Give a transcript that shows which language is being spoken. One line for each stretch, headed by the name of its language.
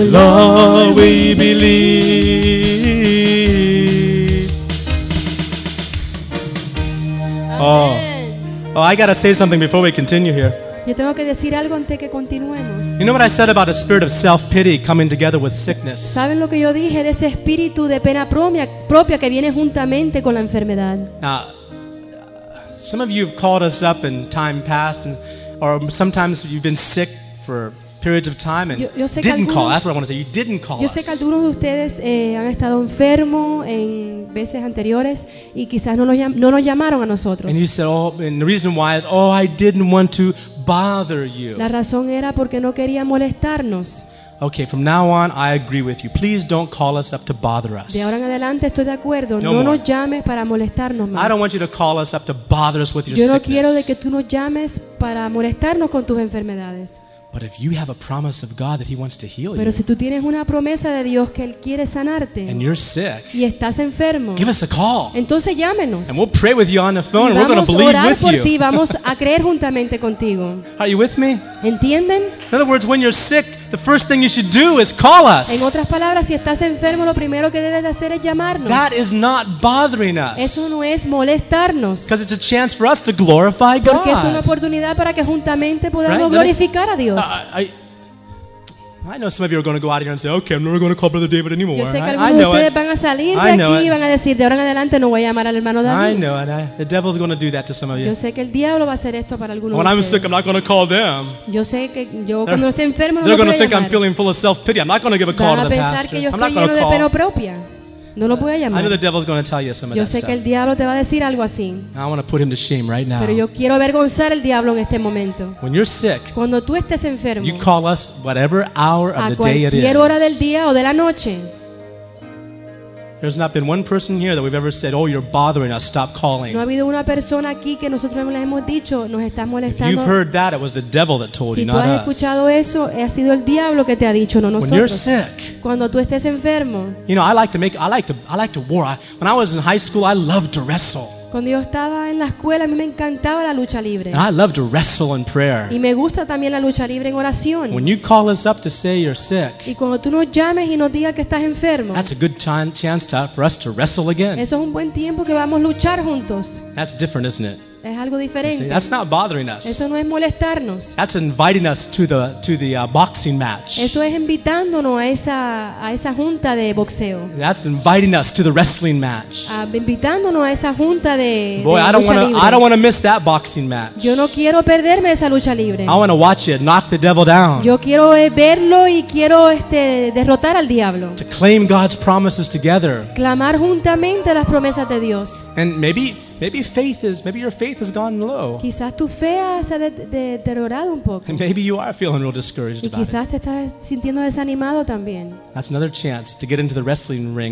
English: Lord, we believe. Oh, I gotta say something before we continue here. You know what I said about a spirit of self-pity coming together with sickness?
Spanish: ¿Saben lo que yo dije de ese espíritu de pena propia que viene juntamente con la enfermedad?
English: Now, some of you have called us up in time past, and, or sometimes you've been sick for periods of time and didn't call. That's what I want to say. You didn't call us.
Spanish: Yo sé que algunos de ustedes han estado enfermos en veces anteriores y quizás no nos llamaron a nosotros.
English: And you said, oh, and the reason why is, oh, I didn't want to bother you.
Spanish: La razón era porque no quería molestarnos.
English: Okay, from now on, I agree with you. Please don't call us up to bother us.
Spanish: De ahora en adelante estoy de acuerdo. No nos llames para molestarnos más.
English: I don't want you to call us up to bother us with your sickness.
Spanish: Yo no quiero de que tú nos llames para molestarnos con tus enfermedades.
English: But if you have a promise of God that He wants to heal you,
Spanish: pero si tú tienes una promesa de Dios que Él quiere sanarte,
English: and you're sick,
Spanish: y estás enfermo,
English: give us a call.
Spanish: Entonces llámenos.
English: And we'll pray with you on the phone, and we're going to believe with you.
Spanish: Vamos a orar por ti, vamos a creer juntamente contigo.
English: Are you with me?
Spanish: ¿Entienden?
English: In other words, when you're sick, the first thing you should do is call us.
Spanish: En otras palabras, si estás enfermo, lo primero que debes hacer es llamarnos.
English: That is not bothering us.
Spanish: Eso no es molestarnos.
English: Because it's a chance for us to glorify God.
Spanish: Porque es una oportunidad para que juntamente podamos
English: right?
Spanish: glorificar a Dios.
English: I know some of you are going to go out here and say, okay, I'm never going to call Brother David anymore.
Spanish: Yo sé que algunos de ustedes van a salir de aquí y van a decir, de ahora en adelante no voy a llamar al hermano David.
English: I know, and the devil's going to do that to some of you.
Spanish: Yo sé que el diablo va a hacer esto para algunos de ustedes.
English: When I'm sick, I'm not going to call them.
Spanish: Yo sé que yo cuando esté enfermo no voy a llamar.
English: They're going to think I'm feeling full of self-pity. I'm not going to give a call to the pastor.
Spanish: Van a pensar que yo estoy lleno de pena propia. No lo voy a llamar.
English: I know the devil's going to tell you some of that stuff.
Spanish: Yo sé que el diablo te va a decir algo así.
English: I want to put him to shame right now.
Spanish: Pero yo quiero avergonzar al diablo en este momento.
English: When you're sick,
Spanish: cuando tú estés enfermo,
English: you call us whatever hour of the day it is.
Spanish: A cualquier hora del día o de la noche.
English: There's not been one person here that we've ever said, "Oh, you're bothering us. Stop calling."
Spanish: No ha habido una persona aquí que nosotros les hemos dicho, nos estás molestando.
English: If you've heard that, it was the devil that told you, not us.
Spanish: Si tú has escuchado eso, ha sido el diablo que te ha dicho, no nosotros.
English: When you're sick,
Spanish: cuando tú estés enfermo.
English: You know, I like to war. When I was in high school, I loved to wrestle.
Spanish: Cuando yo estaba en la escuela, a mí me encantaba la lucha libre.
English: And I love to wrestle in prayer.
Spanish: Y me gusta también la lucha libre en oración.
English: When you call us up to say you're sick,
Spanish: y cuando tú nos llames y nos digas que estás enfermo,
English: that's a good chance for us to wrestle again.
Spanish: Eso es un buen tiempo que vamos a luchar juntos.
English: That's different, isn't it?
Spanish: Es algo diferente.
English: See, that's not bothering us.
Spanish: Eso no es molestarnos.
English: That's inviting us to the boxing match.
Spanish: Eso es invitándonos a esa junta de boxeo.
English: That's inviting us to the wrestling match.
Spanish: Invitándonos a esa junta de lucha libre.
English: Boy, I don't want to miss that boxing match.
Spanish: Yo no quiero perderme esa lucha libre.
English: I want to watch it knock the devil down.
Spanish: Yo quiero verlo y quiero derrotar al diablo.
English: To claim God's promises together.
Spanish: Clamar juntamente las promesas de Dios.
English: And maybe your faith has gone low.
Spanish: Quizás tu fe se ha deteriorado un poco.
English: And maybe you are feeling real discouraged about it.
Spanish: Y quizás te estás sintiendo desanimado también.
English: That's another chance to get into the wrestling ring.